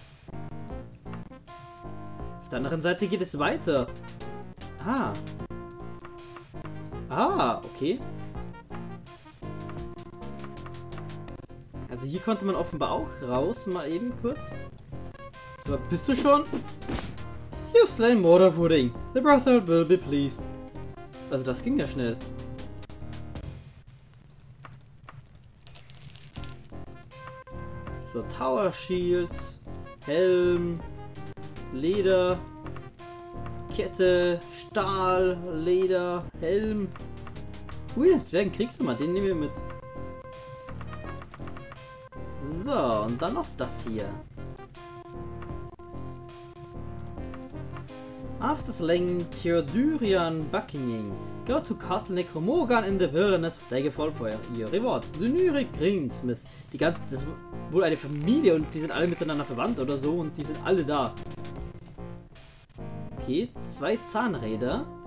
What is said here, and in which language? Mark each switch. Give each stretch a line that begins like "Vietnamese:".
German: Auf der anderen Seite geht es weiter. Ah. Ah, okay. Also hier konnte man offenbar auch raus, mal eben kurz. So, bist du schon?
English: You've slain Mordafooding. The brother will be pleased.
German: Also das ging ja schnell. So, Tower Shield, Helm, Leder, Kette, Stahl, Leder, Helm. Ui, den Zwergen kriegst du mal, den nehmen wir mit. So, und dann noch das hier.
English: After slaying Theodurian Buckinging, go to Castle Necromorgan in the wilderness of Daggerfall for your reward. Dunyrik Greensmith.
German: Die ganze, das ist wohl eine Familie und die sind alle miteinander verwandt oder so und die sind alle da. Okay, zwei Zahnräder.